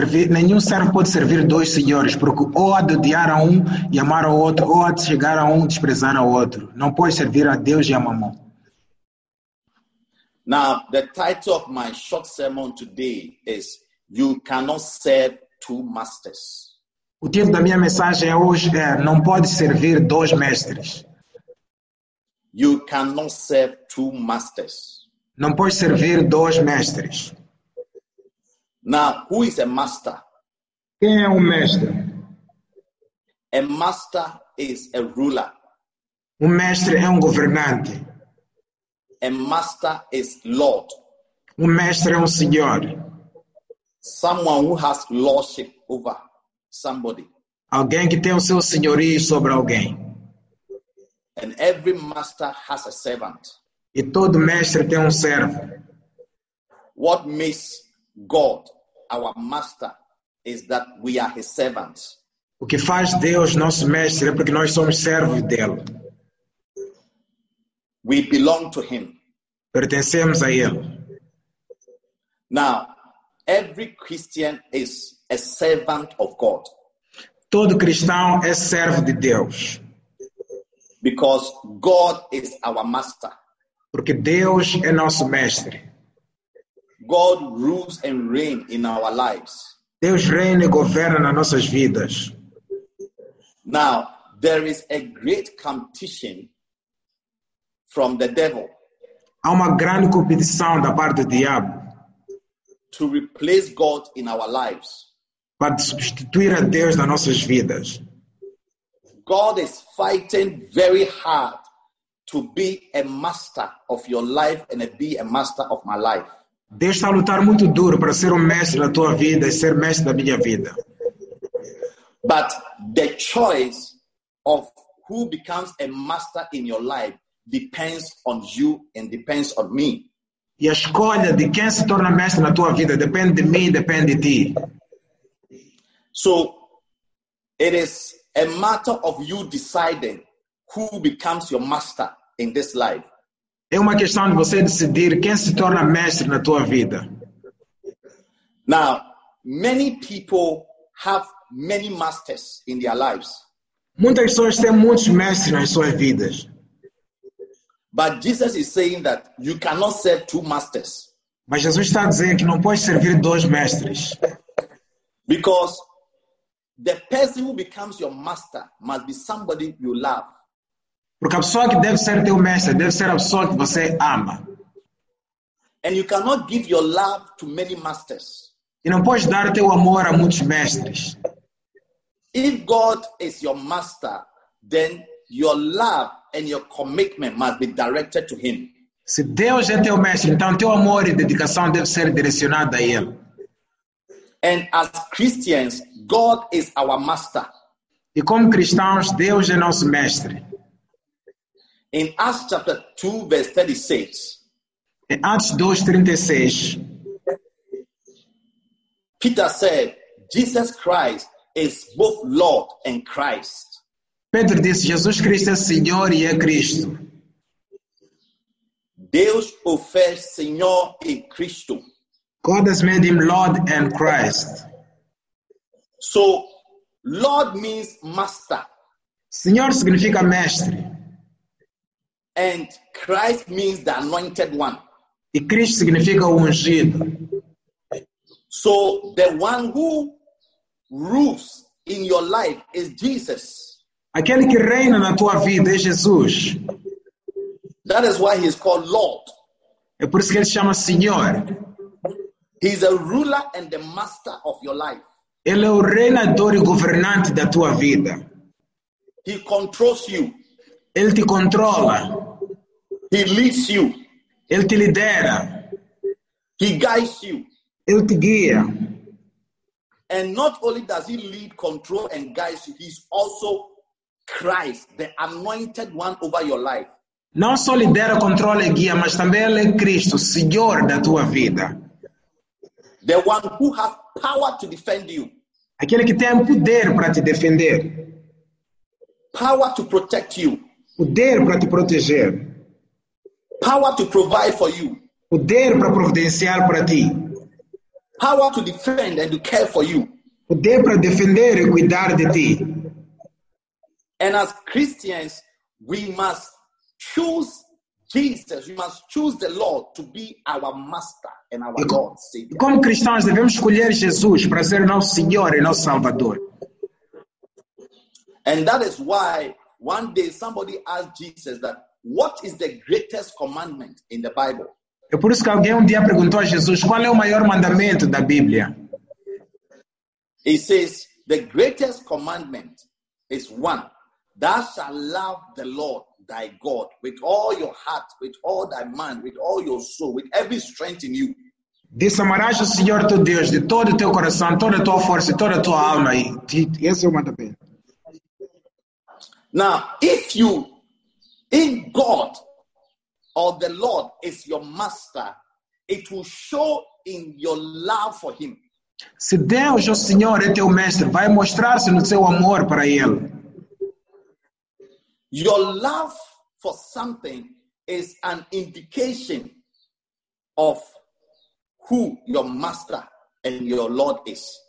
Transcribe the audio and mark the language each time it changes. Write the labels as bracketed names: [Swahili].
[Portuguese] Nenhum servo pode servir dois senhores, porque ou odiar a um e amar ao outro, ou chegar a um e desprezar ao outro. Não pode servir a Deus e a mammon. [English] Now, the title of my short sermon today is You Cannot Serve Two Masters. [Portuguese] O título da minha mensagem hoje é Não Pode Servir Dois Mestres. [English] You cannot serve two masters. [Portuguese] Não pode servir dois mestres. [English] Now, who is a master? [Portuguese] Quem é um mestre? [English] A master is a ruler. [Portuguese] Um mestre é um governante. [English] A master is Lord. [Portuguese] Um mestre é um senhor. [English] Someone who has lordship over somebody. [Portuguese] Alguém que tem o seu senhorio sobre alguém. [English] And every master has a servant. [Portuguese] E todo mestre tem um servo. [English] What makes God our master is that we are his servants. [Portuguese] O que faz Deus nosso mestre é porque nós somos servos dele. [English] We belong to him. [Portuguese] Pertencemos a ele. [English] Now, every Christian is a servant of God. [Portuguese] Todo cristão é servo de Deus. [English] Because God is our master. [Portuguese] Porque Deus é nosso mestre. [English] God rules and reigns in our lives. [Portuguese] Deus reina e governa nas nossas vidas. [English] Now, there is a great competition from the devil. [Portuguese] Há uma grande competição da parte do diabo. [English] To replace God in our lives. [Portuguese] Para substituir a Deus nas nossas vidas. [English] God is fighting very hard to be a master of your life and be a master of my life. [Portuguese] Deus está a lutar muito duro para ser um mestre da tua vida e ser mestre da minha vida. [English] But the choice of who becomes a master in your life depends on you and depends on me. [Portuguese] E a escolha de quem se torna mestre na tua vida depende de mim e depende de ti. [English] So, it is a matter of you deciding who becomes your master in this life. [Portuguese] É uma questão de você decidir quem se torna mestre na tua vida. [English] Now, many people have many masters in their lives. [Portuguese] Muitas pessoas têm muitos mestres nas suas vidas. [English] But Jesus is saying that you cannot serve two masters. [Portuguese] Mas Jesus está dizendo que não pode servir dois mestres. [English] Because the person who becomes your master must be somebody you love. [Portuguese] Porque a pessoa que deve ser teu mestre deve ser a pessoa que você ama. [English] And you cannot give your love to many masters. [Portuguese] E não podes dar teu amor a muitos mestres. [English] If God is your master, then your love and your commitment must be directed to him. [Portuguese] Se Deus é teu mestre, então teu amor e dedicação deve ser direcionada a ele. [English] And as Christians, God is our master. [Portuguese] E como cristãos, Deus é nosso mestre. [English] In Acts chapter 2, verse 36. [Portuguese] Em Atos 2:36. [English] Peter said, Jesus Christ is both Lord and Christ. [Portuguese] Pedro disse, Jesus Cristo é Senhor e é Cristo. Deus o fez Senhor e Cristo. [English] God has made him Lord and Christ. So, Lord means master. [Portuguese] Senhor significa mestre. [English] And Christ means the anointed one. [Portuguese] E Cristo significa ungido. [English] So, the one who rules in your life is Jesus. [Portuguese] Aquele que reina na tua vida é Jesus. [English] That is why he is called Lord. [Portuguese] É por isso que ele se chama Senhor. [English] He is a ruler and the master of your life. [Portuguese] Ele é o reinador e governante da tua vida. [English] He controls you. [Portuguese] Ele te controla. [English] He leads you. [Portuguese] Ele te lidera. [English] He guides you. [Portuguese] Ele te guia. [English] And not only does he lead, control, and guide you, he's also Christ, the anointed one over your life. [Portuguese] Não só lidera, controla e guia, mas também ele é Cristo, Senhor da tua vida. [English] The one who has power to defend you. [Portuguese] Aquele que tem poder para te defender. [English] Power to protect you. [Portuguese] Poder para te proteger. [English] Power to provide for you. [Portuguese] Poder para providenciar para ti. [English] Power to defend and to care for you. [Portuguese] Poder para defender e cuidar de ti. [English] And as Christians, we must choose Jesus, we must choose the Lord to be our master and our Lord, Savior. [Portuguese] Como cristãos, devemos escolher Jesus para ser nosso Senhor e nosso Salvador. [English] And that is why one day somebody asked Jesus that, what is the greatest commandment in the Bible? [Portuguese] É por isso que alguém um dia perguntou a Jesus, qual é o maior mandamento da Bíblia? [English] He says, the greatest commandment is one, thou shalt love the Lord thy God with all your heart, with all thy mind, with all your soul, with every strength in you. [Portuguese] Diz, amarás o Senhor teu Deus de todo o teu coração, toda a tua força e toda a tua alma. Esse é o mandamento. [English] Now, if God or the Lord is your master, it will show in your love for him. [Portuguese] Se Deus, o Senhor, é teu mestre, vai mostrar-se no seu amor para ele. [English] Your love for something is an indication of who your master and your Lord is.